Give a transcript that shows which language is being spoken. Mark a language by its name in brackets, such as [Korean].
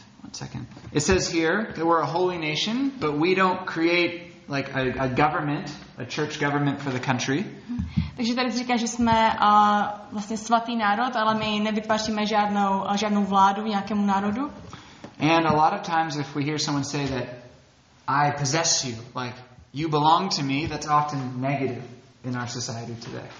[English] One second. It says here that we're a holy nation, but we don't create like a government, a church government for the country. [Czech] Takže tady říká, že jsme vlastně svatý národ, ale my nevytváříme žádnou vládu nějakému národu. [English] And a lot of times if we hear someone say that I possess you, like you belong to me, that's often negative in our society today.